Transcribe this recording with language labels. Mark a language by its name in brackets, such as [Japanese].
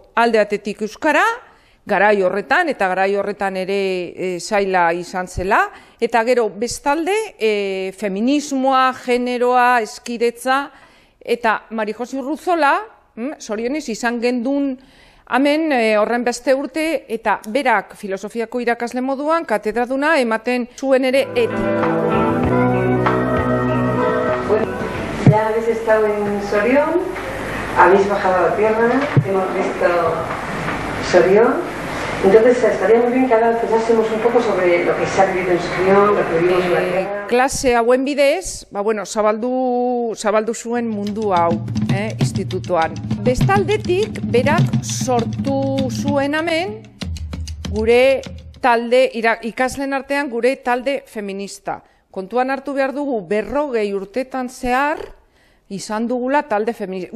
[Basque] Alde batetik euskara, garai horretan eta garai horretan ere zaila izan zela, eta gero bestalde feminismoa, generoa, hezkidetza eta Mari Josi Urruzola, zorionez izan gendun hemen horren beste urte eta berak filosofiako irakasle moduan katedraduna ematen zuen ere etika. [Spanish] Habéis estado en Sorión, habéis bajado a la tierra, hemos visto Sorión. Entonces estaría muy bien que ahora pensásemos un poco sobre lo que se ha vivido en Sorión, lo que vivimos en la tierra. [Basque] Klase hauen bidez, zabaldu zuen mundu hau, institutuan. Bestaldetik, berak sortu zuen hemen gure talde, ikaslen artean gure talde feminista. Kontuan hartu behar dugu 40 urtetan zehar, izan dugula talde feminista.